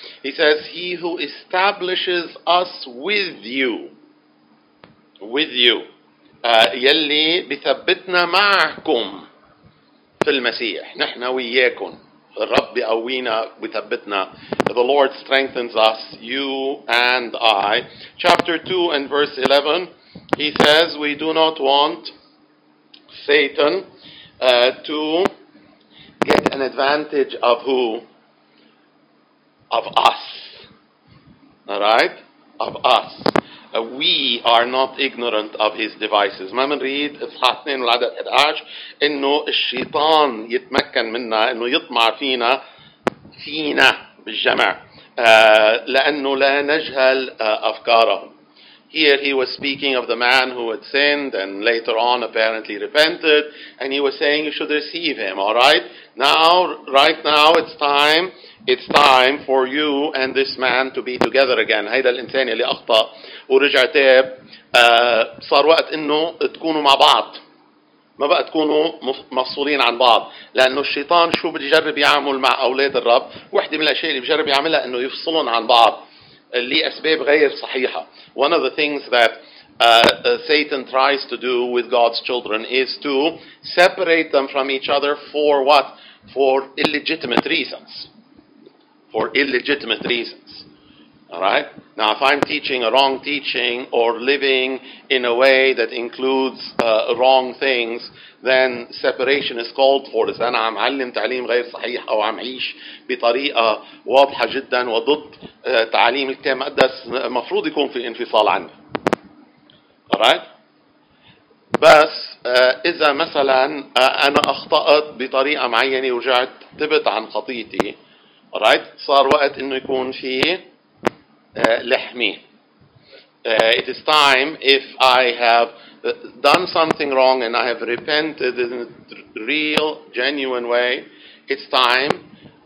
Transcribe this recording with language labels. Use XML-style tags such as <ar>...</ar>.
<en>He says, he who establishes us with you. With you.</en> <ar>يلي بيثبتنا معكم في المسيح. نحن وياكم. الرب بيقوينا بيثبتنا.</ar> <en>The Lord strengthens us, you and I. Chapter 2 and verse 11, he says, we do not want Satan to get an advantage of who? Of us. All right? Of us. We are not ignorant of his devices.</en> <ar>ما منريد إصحاثنين والعدد 11 إنه الشيطان يتمكن منا إنه يطمع فينا فينا بالجمع لأنه لا نجهل أفكارهم.</ar> <en>Here he was speaking of the man who had sinned and later on apparently repented, and he was saying you should receive him. All right? Now, right now, it's time. It's time for you and this man to be together again.</en> <ar>هيدا الإنسان اللي أخطأ ورجع تاب صار وقت إنه تكونوا مع بعض. ما بقى تكونوا مفصولين عن بعض. لأنه الشيطان شو بيجرب يعمل مع أولاد الرب؟ واحدة من الأشياء اللي بيجرب يعملها إنه يفصلون عن بعض لأسباب غير صحيحة.</ar> <en>One of the things that Satan tries to do with God's children is to separate them from each other for what? For illegitimate reasons. For illegitimate reasons. All right? Now, if I'm teaching a wrong teaching or living in a way that includes wrong things, then separation is called for.</en> <ar>إذا أنا عم علم تعليم غير صحيح أو عم عيش بطريقة واضحة جدا وضد تعليم الكتاب المقدس مفروض يكون في انفصال عنه.</ar> <en>All right?</en> <ar>بس إذا مثلا أنا أخطأت بطريقة معينة ورجعت تبت عن خطيتي, right, صار وقت إنه يكون في لحمي.</ar> <en>It is time, if I have done something wrong and I have repented in a real, genuine way, it's time</en>